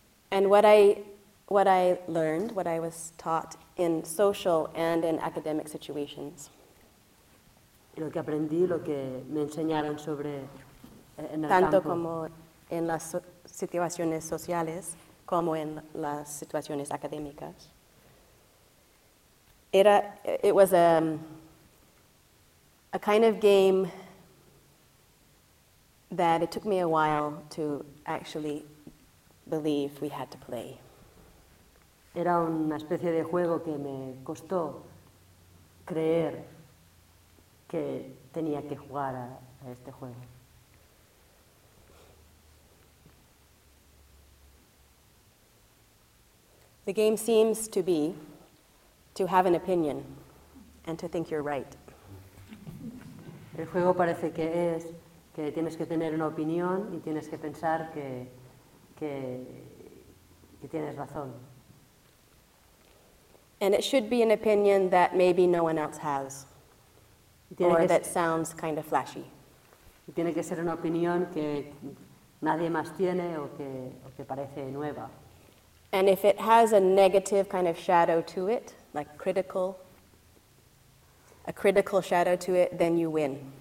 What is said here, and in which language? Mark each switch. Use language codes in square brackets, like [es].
[en] And what I learned, what I was taught in social and in academic situations. [es] Lo que aprendí, lo que me enseñaron sobre en el tanto campo. Como en las situaciones sociales como en las situaciones académicas. Era, [en] it was a kind of game that it took me a while to actually believe we had to play. [es] Era una especie de juego que me costó creer que tenía que jugar a este juego. [en] The game seems to be to have an opinion and to think you're right. [es] El juego parece que es que tienes que tener una opinión y tienes que pensar que tienes razón. [en] And it should be an opinion that maybe no one else has. Or that sounds kind of flashy. [es] Tiene que ser una opinión que nadie más tiene o que parece nueva. [en] And if it has a negative kind of shadow to it, like a critical shadow to it, then you win.